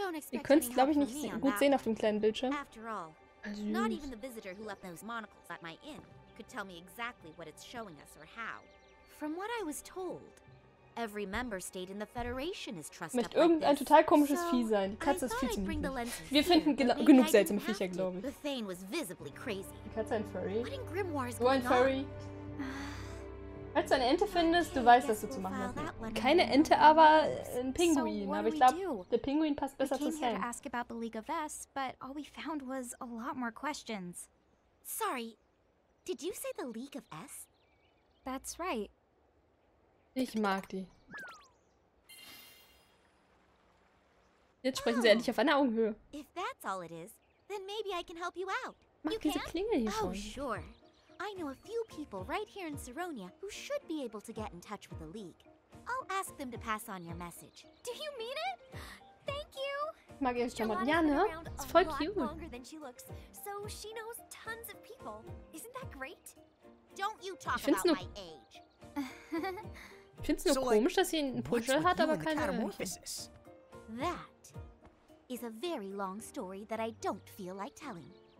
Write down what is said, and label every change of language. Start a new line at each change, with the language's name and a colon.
German: Ihr könnt es, glaube ich, nicht gut sehen auf dem kleinen Bildschirm.
English: Not even the visitor who left those monocles at my inn could tell me exactly what it's showing us or how. From what I was told, every member state in the Federation is trusted.
German: Möchte irgendein total komisches Vieh sein. Die Katze ist viel zu niedlich. Wir finden genug seltsame Viecher, glaube ich.
English: The Thane was visibly crazy.
German: Die Katze ein Furry.
English: What in Grimoire is going on?
German: Du ein Furry. Als du eine Ente findest, du weißt, was du zu machen hast. Keine Ente, aber ein Pinguin. Aber ich glaube, der Pinguin passt besser zu Sam.
English: Ask about the League of S, but all we found was a lot more questions. Sorry, did you say the League of S? That's right.
German: Ich mag die. Jetzt sprechen sie endlich auf einer Augenhöhe.
English: If that's all it is, then maybe I can help you out.
German: Mach diese Klingel hier schon.
English: Oh, sure. I know a few people right here in Saronia who should be able to get in touch with the League. I'll ask them to pass on your message. Do you mean it? Thank you.
German: Mag ihr schon mal? Ja, ne?
English: It's
German: voll cute.
English: Longer than she looks, so she knows tons of people. Isn't that great? Don't you talk about my age.
German: Ich find's nur komisch, dass sie einen Puschel hat, aber keine
English: Metamorphosis. That is a very long story that I don't feel like telling.